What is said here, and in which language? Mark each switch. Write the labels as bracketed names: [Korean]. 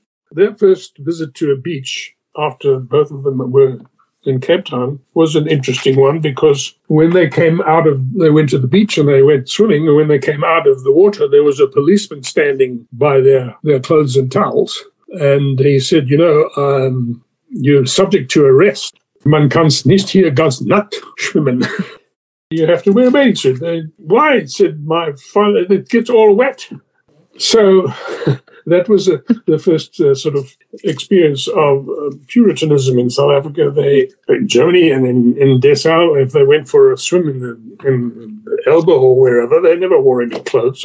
[English] Their first visit to a beach after both of them were in Cape Town was an interesting one, because when they came out of, they went to the beach and they went swimming, and when they came out of the water, there was a policeman standing by their clothes and towels. And he said, you know, you're subject to arrest. [German] Man kann's nicht hier ganz nackt schwimmen. [English] You have to wear a bathing suit. Why? Said my father, it gets all wet. So that was the first sort of experience of Puritanism in South Africa. They, in Germany and in Dessau, if they went for a swim in the Elbe or wherever, they never wore any clothes.